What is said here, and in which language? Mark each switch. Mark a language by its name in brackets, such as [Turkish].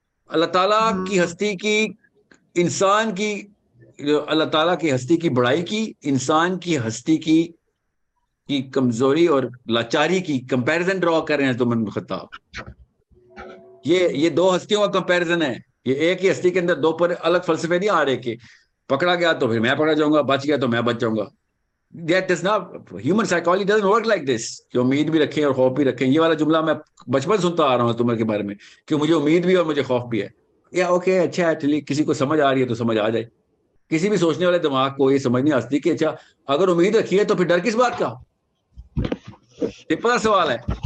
[Urdu] اللہ تعالیٰ کی ہستی کی, انسان کی, اللہ تعالیٰ کی ہستی کی بڑائی کی, انسان کی ہستی کی کمزوری اور لاچاری کی کمپیریزن ڈرا کر رہے ہیں تمن خطاب. یہ دو ہستیوں کا کمپیریزن ہے, یہ ایک ہی ہستی کے اندر دو پر الگ فلسفے نہیں آ رہے کہ پکڑا گیا تو پھر میں پکڑا جاؤں گا, بچ گیا تو میں بچ جاؤں گا. [English] That is not, human psychology doesn't work like this. [Urdu] کہ امید بھی رکھیں اور خوف بھی رکھیں, یہ والا جملہ میں بچپن سنتا آ رہا ہوں تمہارے بارے میں کہ مجھے امید بھی اور مجھے خوف بھی ہے. یا اوکے, اچھا ہے, چلیے کسی کو سمجھ آ رہی ہے تو سمجھ آ جائے. کسی بھی سوچنے والے دماغ کو یہ سمجھ نہیں آتی کہ اچھا اگر امید رکھی ہے تو پھر ڈر کس بات کا؟ پہلا سوال ہے.